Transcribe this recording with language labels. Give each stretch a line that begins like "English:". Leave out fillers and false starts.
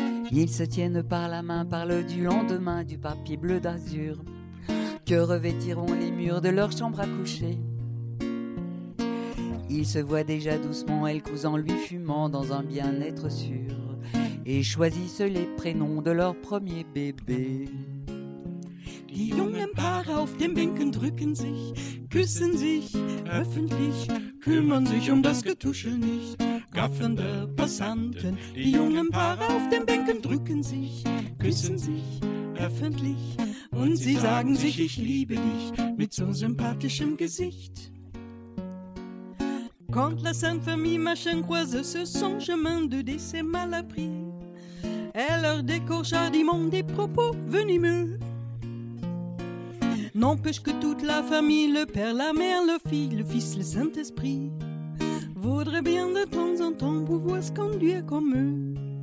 French: Ils se tiennent par la main, parlent du lendemain, du papier bleu d'azur que revêtiront les murs de leur chambre à coucher. Ils se voient déjà doucement, elle cousant, lui fumant, dans un bien-être sûr, et choisissent les prénoms de leur premier bébé.
German: Die jungen Paare auf den Bänken drücken sich, küssen sich öffentlich, kümmern sich um das Getuschel nicht, gaffen der Passanten. Die jungen Paare auf den Bänken drücken sich, küssen sich öffentlich, und sie sagen sich, ich liebe dich mit so sympathischem Gesicht.
French: Quand la sainte famille machin croise sur son chemin de décès mal appris, elle leur décoche hardiment des propos venimeux. N'empêche que toute la famille, le père, la mère, le fils, le Saint-Esprit, voudrait bien de temps en temps pouvoir se conduire comme eux.